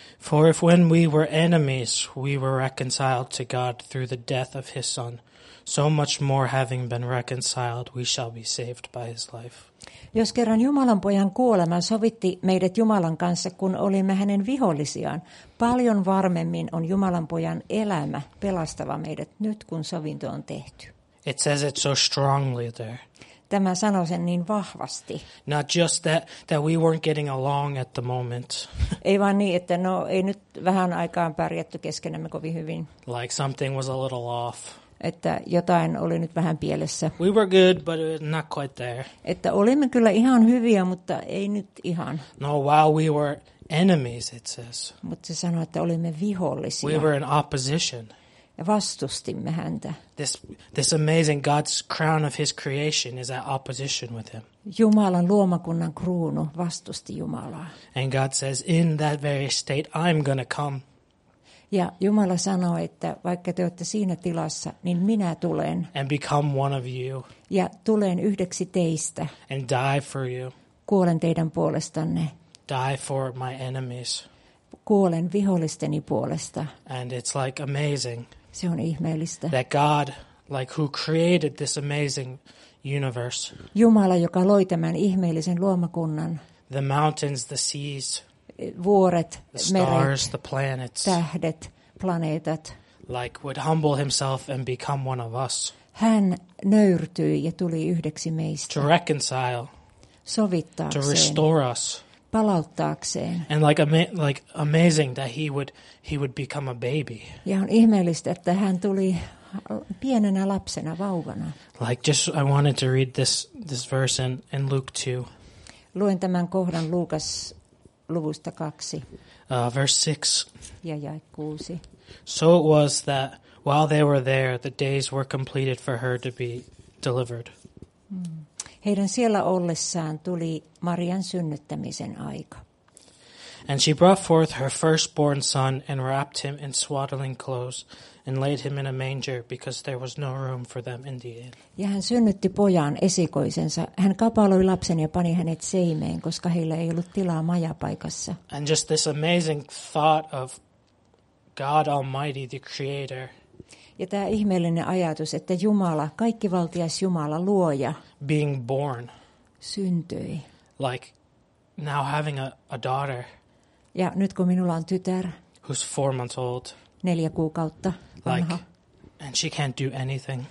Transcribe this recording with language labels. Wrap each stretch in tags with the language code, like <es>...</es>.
<en>For if when we were enemies, we were reconciled to God through the death of his son, so much more having been reconciled, we shall be saved by his life.</en> <fi>Jos kerran Jumalan pojan kuolema sovitti meidät Jumalan kanssa, kun olimme hänen vihollisiaan, paljon varmemmin on Jumalan pojan elämä pelastava meidät nyt, kun sovinto on tehty.</fi> <en>It says it so strongly there.</en> <fi>Tämä sanoo sen niin vahvasti.</fi> <en>Not just that we weren't getting along at the moment.</en> <fi>Ei vaan niin, että no ei nyt vähän aikaan pärjätty keskenämme kovin hyvin.</fi> <en>Like something was a little off.</en> <fi>Että jotain oli nyt vähän pielessä.</fi> <en>We were good, but not quite there.</en> <fi>Että olimme kyllä ihan hyviä, mutta ei nyt ihan.</fi> <en>No, while we were enemies, it says.</en> <fi>Mutta se sanoo, että olimme vihollisia.</fi> <en>We were in opposition.</en> <fi>Ja vastustimme häntä.</fi> <en>This amazing God's crown of his creation is at opposition with him.</en> <fi>Jumalan luomakunnan kruunu vastusti Jumalaa.</fi> <en>And God says, in that very state, I'm gonna come.</en> <fi>Ja Jumala sanoo, että vaikka te olette siinä tilassa, niin minä tulen.</fi> <en>And become one of you.</en> <fi>Ja tulen yhdeksi teistä.</fi> <en>And die for you.</en> <fi>Kuolen teidän puolestanne.</fi> <en>Die for my enemies.</en> <fi>Kuolen vihollisteni puolesta.</fi> <en>And it's like amazing.</en> <fi>Se on ihmeellistä.</fi> <en>That God, like, who created this amazing universe.</en> <fi>Jumala, joka loi tämän ihmeellisen luomakunnan.</fi> <en>The mountains, the seas.</en> <fi>Vuoret,</fi> <en>the stars,</en> <fi>meret,</fi> <en>the planets.</en> <fi>Tähdet, planeetat.</fi> <en>Like, would humble himself and become one of us.</en> <fi>Hän nöyrtyi ja tuli yhdeksi meistä.</fi> <en>To reconcile.</en> <fi>Sovittaakseen.</fi> <en>To restore us.</en> <fi>Palauttaakseen.</fi> <en>And like amazing that he would become a baby.</en> <fi>Ja on ihmeellistä, että hän tuli pienenä lapsena, vauvana.</fi> <en>Like, just, I wanted to read this verse in Luke 2.</en> <fi>Luen tämän kohdan Luukas luvusta 2.</fi> <en>Verse 6.</en> <fi>Ja jae 6.</fi> <en>So it was that while they were there, the days were completed for her to be delivered.</en> <fi>Heidän siellä ollessaan tuli Marian synnyttämisen aika.</fi> <en>And she brought forth her firstborn son and wrapped him in swaddling clothes and laid him in a manger because there was no room for them in the inn.</en> <fi>Ja hän synnytti pojan esikoisensa. Hän kapaloi lapsen ja pani hänet seimeen, koska heillä ei ollut tilaa majapaikassa.</fi> <en>And just this amazing thought of God Almighty, the Creator.</en> <fi>Ja tämä ihmeellinen ajatus, että Jumala, kaikkivaltias Jumala, luoja,</fi> <en>being born,</en> <fi>syntyi.</fi> <en>Like now having a daughter.</en> <fi>Ja nyt kun minulla on tytär,</fi> <en>who's 4 months old,</en> <fi>4 kuukautta vanha,</fi> <en>like, and she can't do anything.</en>